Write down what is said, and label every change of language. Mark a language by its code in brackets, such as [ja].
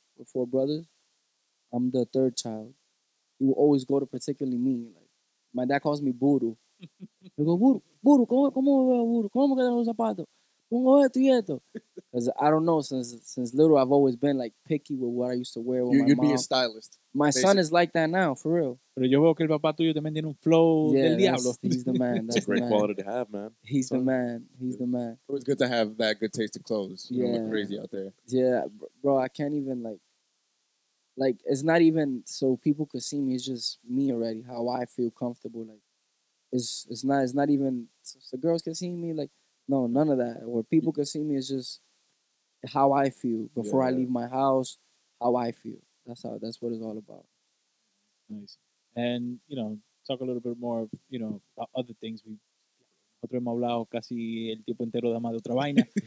[en] We're 4 brothers. I'm the 3rd child. He would always go to particularly me. Like, my dad calls me Buru. I go, Buru, [es] ¿cómo quedan los zapatos? ¿Cómo esto y esto? [en] Because I don't know, since little, I've always been like picky with what I used to wear with you, my you'd mom. You'd be a stylist. My basically. Son is like that now, for real. [es] Pero yo veo que el papá tuyo también tiene un flow del diablo. [en] He's the man. That's it's a great the man. Quality to have, man. He's so, the man. He's the man. It's good to have that good taste of clothes. You don't look crazy out there. Yeah, bro, I can't even like, it's not even so people could see me. It's just me already, how I feel comfortable, like. It's not even the girls can see me, like, no, none of that. Or people can see me, it's just how I feel before I leave my house, how I feel. That's what it's all about. Nice. And, you know, talk a little bit more, you know, about other things. [es] Nosotros hemos hablado casi el tiempo entero de más de otra vaina.